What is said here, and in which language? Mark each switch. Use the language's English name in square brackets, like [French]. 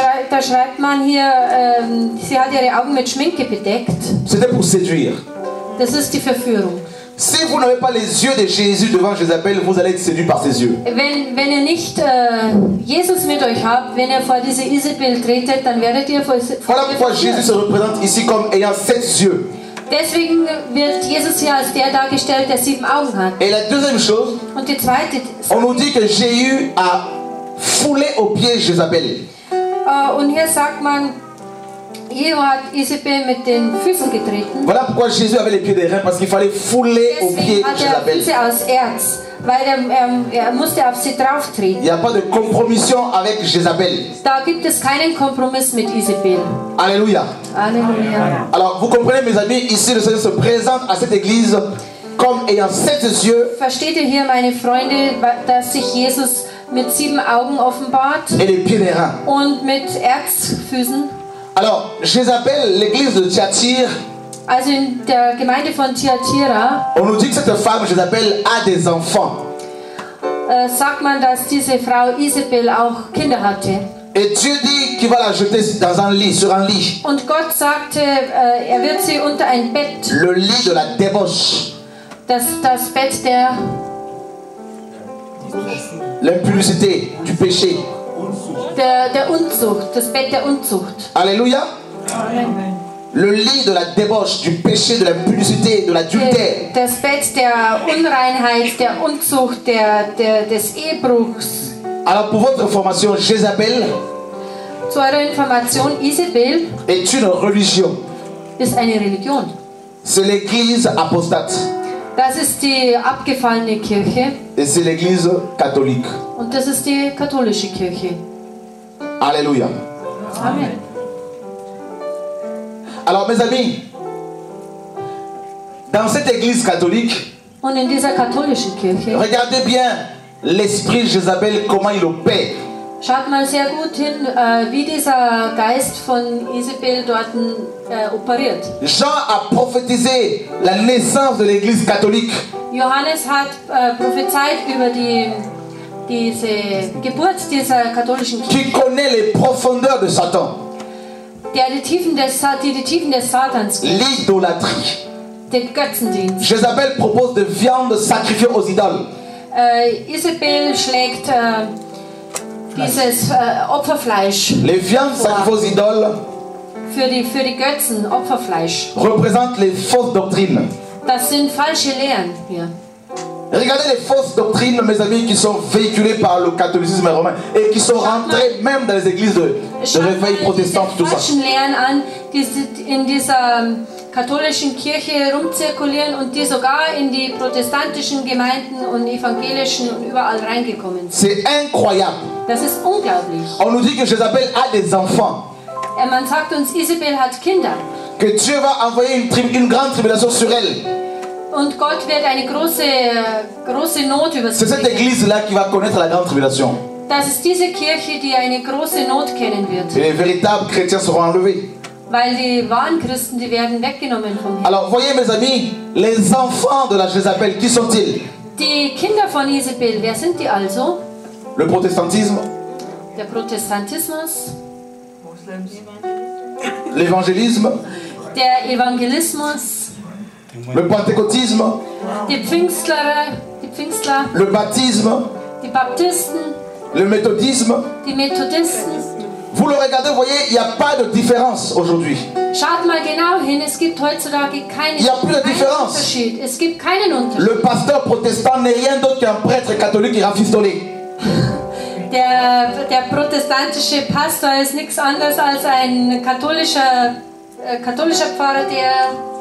[German] Da schreibt man hier, sie hat ihre Augen mit Schminke bedeckt. [French] C'était pour séduire. [German] Das ist die Verführung. [French] Si vous n'avez pas les yeux de Jésus devant Jézabel, vous allez être séduit par ses yeux. [German] Wenn ihr nicht Jesus mit euch habt, wenn ihr vor diese Isabel tretet, dann werdet ihr vor [French] voilà pourquoi Jésus se représente ici comme ayant 7 yeux. [German] Deswegen wird Jesus hier als der dargestellt, der 7 Augen hat. [French] Et la deuxième chose, [German] und die zweite, [French] on nous dit que Jéhu a foulé aux pieds Jézabel. [German] Und hier sagt man, Jehu hat Isabel mit den Füßen getreten. [French] Voilà pourquoi Jésus avait les pieds d'airain, parce qu'il fallait fouler aux pieds Jézabel. [German] Deswegen hat er Füße aus Erz, weil er musste auf sie drauf treten. [French] Il n'y a pas de compromission avec Jézabel. [German] Da gibt es keinen Kompromiss mit Isabel. [French] Alléluia. Alléluia. Alors, vous comprenez, mes amis, ici le Seigneur se présente à cette église comme ayant sept yeux. [German] Versteht ihr hier, meine Freunde, dass sich Jesus mit sieben Augen offenbart? [French] Et les pieds des reins. [German] Und mit Erzfüßen. [French] Alors, je les appelle l'église de Thyatira. [German] Also in der Gemeinde von Thyatira. [French] On nous dit que cette femme, je les appelle, a des enfants. [German] Sagt man, dass diese Frau Isabel auch Kinder hatte. [French] Et Dieu dit qu'il va la jeter dans un lit, sur un lit. [German] Und Gott sagte, er wird sie unter ein Bett. [French] Le lit de la débauche. [German] Das Bett der [French] l'impudicité, du péché. [German] Der Unzucht, das Bett der Unzucht. [French] Alléluia. Le lit de la débauche, du péché, de l'impudicité, de l'adultère. [German] Das Bett der Unreinheit, der Unzucht, des Ehebruchs. [French] Alors pour votre information, Jézabel. [German] Zu eurer Information, Isabel. [French] Est une religion. [German] Ist eine Religion. [French] C'est l'Église apostate. [German] Das ist die abgefallene Kirche. [French] Et c'est l'Église catholique. [German] Und das ist die katholische Kirche. [French] Alléluia. Amen. Alors mes amis, dans cette Église catholique. Und in dieser katholischen Kirche. Regardez bien. L'esprit Jézabel, comment il opère. [German] Schaut mal sehr gut hin, wie dieser Geist von Isabel dort operiert. [French] Jean a prophétisé la naissance de l'Église catholique. [German] Johannes hat prophezeit über diese Geburt dieser katholischen Kirche. [French] Qui connaît les profondeurs de Satan. [German] Die Tiefen des Satans. [French] L'idolâtrie. [German] Den Götzendienst. [French] Jézabel propose de viande sacrifiée aux idoles. [German] Isabel schlägt dieses Opferfleisch. [French] Les viandes sacrifiées aux idoles. [German] Für die Götzen Opferfleisch. [French] Représentent les fausses doctrines. [German] Das sind falsche Lehren hier. [French] Regardez les fausses doctrines, mes amis, qui sont véhiculées par le catholicisme romain et qui sont rentrées même dans les églises de réveil protestante, tout ça. [German] Schaut mal diese falschen Lehren an, die in dieser katholischen Kirche rumzirkulieren und die sogar in die protestantischen Gemeinden und evangelischen und überall reingekommen sind. [French] C'est incroyable. [German] Das ist unglaublich. [French] On nous dit que Jézabel a des enfants. Et [German] man sagt uns, Isabel hat Kinder. [French] Que Dieu va envoyer une grande tribulation sur elle. [German] Und Gott wird eine große Not über sie. [French] C'est cette église-là qui va connaître la grande tribulation. [German] Das ist diese Kirche, die eine große Not kennen wird. [French] Et les véritables chrétiens seront enlevés. [German] Weil die wahren Christen, die werden weggenommen von hier. [French] Alors voyez mes amis, les enfants de la Jézabel, qui sont-ils? [German] Die Kinder von Isabel, wer sind die also? [French] Le protestantisme. [German] Der Protestantismus. [French] L'évangélisme. [German] Der Evangelismus. [French] Le pentecôtisme. [German] Die Pfingstler. [French] Le baptisme. [German] Die Baptisten. [French] Le méthodisme. [German] Die Methodisten. [French] Vous le regardez, voyez, il n'y a pas de différence aujourd'hui. [German] Schaut mal genau hin, es gibt heutzutage keine. [French] Il n'y a plus de différence. [German] Es gibt keinen Unterschied. [French] Le pasteur protestant n'est rien d'autre qu'un prêtre catholique qui rafistolé. [German] Der protestantische Pastor ist nichts anderes als ein katholischer Pfarrer, der.